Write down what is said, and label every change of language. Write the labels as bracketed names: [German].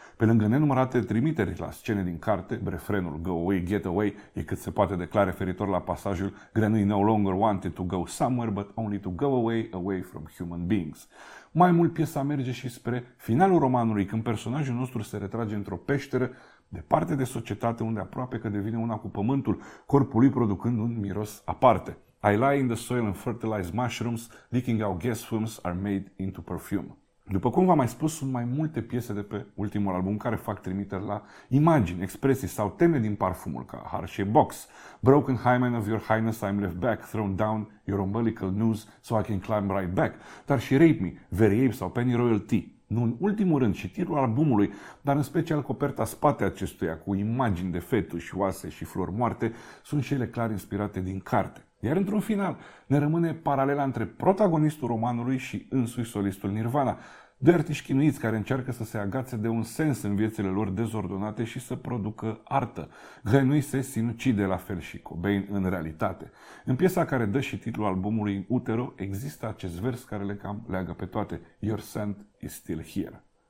[Romanian] Pe lângă nenumărate trimiteri la scene din carte, refrenul [English] Go away, get away [Romanian] e cât se poate declara referitor la pasajul [English] Grenouille no longer wanted to go somewhere but only to go away, away from human beings. [Romanian] Mai mult, piesa merge și spre finalul romanului, când personajul nostru se retrage într-o peșteră departe de societate, unde aproape că devine una cu pământul, corpul lui producând un miros aparte. [English] I lie in the soil and fertilize mushrooms, leaking out gas fumes are made into perfume. [Romanian] După cum v-am mai spus, sunt mai multe piese de pe ultimul album care fac trimiteri la imagini, expresii sau teme din Parfumul, ca Harsh Box, Broken Hymen of Your Highness, I'm Left Back, Thrown Down, Your Umbilical News, So I Can Climb Right Back, dar și Rape Me, Very Ape sau Penny Royalty. Nu în ultimul rând, și titlul albumului, dar în special coperta spate acestuia, cu imagini de fetuși, oase și flori moarte, sunt și ele clar inspirate din carte. Iar într-un final ne rămâne paralela între protagonistul romanului și însuși solistul Nirvana, doi artiști chinuiți care încearcă să se agațe de un sens în viețile lor dezordonate și să producă artă. Hănui se sinucide la fel și Cobain în realitate. În piesa care dă și titlul albumului Utero există acest vers care le cam leagă pe toate. [English] Your scent is still here.